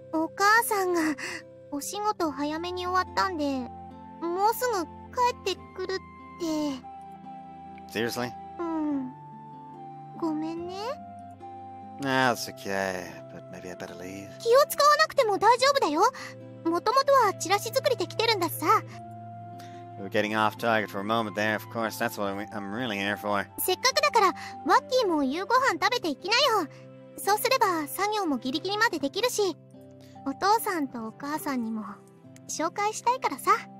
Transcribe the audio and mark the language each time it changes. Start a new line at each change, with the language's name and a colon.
Japanese: お母さんがお仕事早めに終わったんで、もうすぐ帰ってくるって...
English: Seriously?
Japanese: ごめんね。
English: That's okay, but maybe I better leave.
Japanese: 気を使わなくても大丈夫だよ。元々はチラシ作りで来てるんだしさ。
English: We're getting off target for a moment there, of course. That's what I'm really here for.
Japanese: せっかくだから、ワッキーも夕ご飯食べていきなよ。そうすれば作業もギリギリまでできるし。お父さんとお母さんにも紹介したいからさ。